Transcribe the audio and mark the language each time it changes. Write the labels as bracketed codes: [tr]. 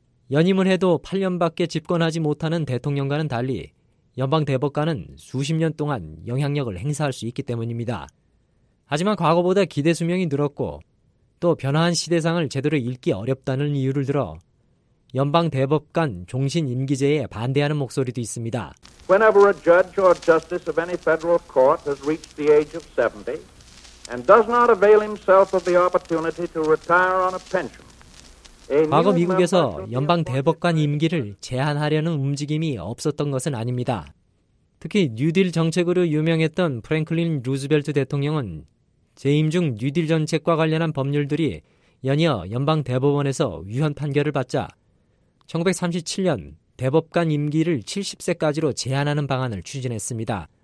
[ko] 연임을 해도 8년밖에 집권하지 못하는 대통령과는 달리 연방 대법관은 수십 년 동안 영향력을 행사할 수 있기 때문입니다. 하지만 과거보다 기대 수명이 늘었고 또 변화한 시대상을 제대로 읽기 어렵다는 이유를 들어 연방 대법관 종신 임기제에 반대하는 목소리도 있습니다. [en] Whenever a judge or justice of any federal court has reached the age of 70 and does not avail himself of the opportunity to retire on a pension. [ko] 과거 미국에서 연방 대법관 임기를 제한하려는 움직임이 없었던 것은 아닙니다. 특히 뉴딜 정책으로 유명했던 프랭클린 루즈벨트 대통령은 재임 중 뉴딜 정책과 관련한 법률들이 연이어 연방 대법원에서 위헌 판결을 받자 1937년 대법관 임기를 70세까지로 제한하는 방안을 추진했습니다.